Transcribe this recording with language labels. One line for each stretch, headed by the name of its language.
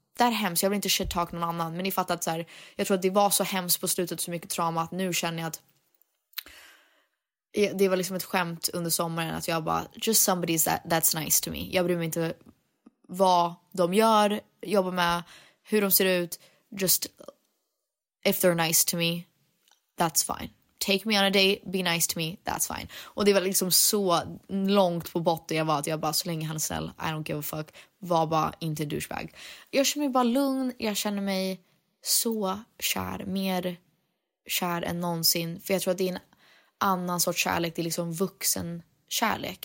Swedish: Det här är hemskt, jag vill inte
English: shit talk
Swedish: någon annan. Men ni fattar att så här, jag tror att det var så hemskt på slutet, så mycket trauma, att nu känner jag att... Det var liksom ett skämt under sommaren att jag bara...
English: Just somebody that's nice to me.
Swedish: Jag bryr mig inte vad de gör, jobbar med, hur de ser ut.
English: Just if they're nice to me, that's fine. Take me on a date, be nice to me, that's fine.
Swedish: Och det var liksom så långt på botten jag var, att jag bara, så länge han är snäll,
English: I don't give a fuck,
Swedish: var bara inte douchebag. Jag känner mig bara lugn, jag känner mig så kär, mer kär än någonsin. För jag tror att det är en annan sorts kärlek, det är liksom vuxen kärlek.